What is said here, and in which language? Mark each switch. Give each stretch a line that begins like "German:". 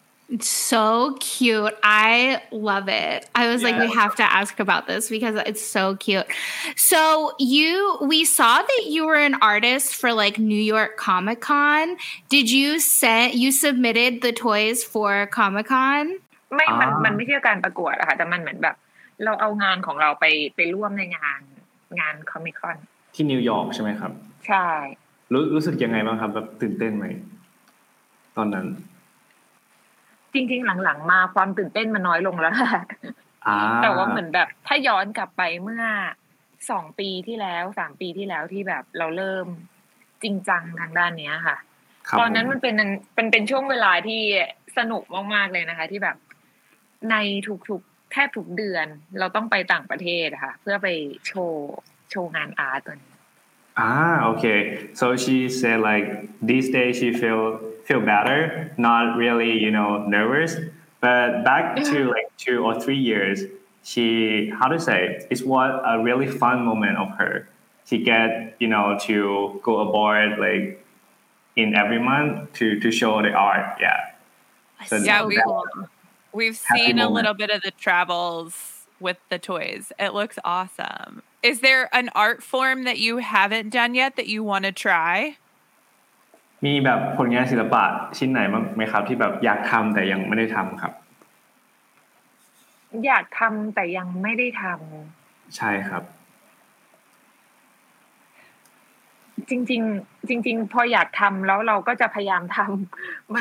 English: It's so cute. I love it. I was like, we have to ask about this because it's so cute. So we saw that you were an artist for like New York Comic Con. Did you submitted the toys for Comic Con?
Thai: ไม่มันไม่ใช่การประกวดอะค่ะแต่มันเหมือนแบบเราเอางานของเราไปร่วมในงาน Comic Con ที่นิวยอร์กใช่ไหมครับ ใช่ รู้สึกยังไงบ้างครับแบบตื่นเต้นไหมตอนนั้น จริงๆหลังๆมาความตื่นเต้นมันน้อยลงแล้วแต่ว่าเหมือนแบบถ้าย้อนกลับไปเมื่อ2ปีที่แล้ว3ปีที่แล้วที่แบบเราเริ่มจริงจังทางด้านเนี้ยค่ะตอนนั้นมันเป็นช่วงเวลาที่สนุกมากๆเลยนะคะที่แบบในทุกเดือนเราต้องไปต่างประเทศค่ะเพื่อไปโชว์งานอาร์ต
English: Okay. So she said like these days she feel better, not really, you know, nervous. But back to like 2 or 3 years, it was a really fun moment of her. She get, you know, to go aboard like in every month to show the art. Yeah. So yeah, we've seen a little bit of the travels with the toys. It looks awesome. Is there an art form that you haven't done yet that you want to try?
Thai: มีแบบผลงานศิลปะชิ้นไหนบ้างไหมครับที่แบบอยากทำแต่ยังไม่ได้ทำครับ อยากทำแต่ยังไม่ได้ทำ ใช่ครับ จริงๆจริงๆพออยากทำแล้วเราก็จะพยายามทำ